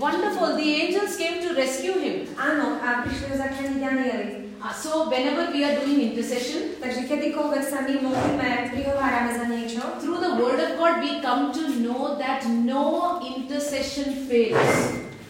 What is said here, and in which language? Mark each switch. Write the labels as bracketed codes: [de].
[en] Wonderful, the angels came to rescue him. [sk] Áno, a prišli ho zachrániť anjeli. [en] So whenever we are doing intercession, [sk] takže kedykoľvek sa my modlíme, prihovárame za niečo, [en] through the word of God we come to know that no intercession fails.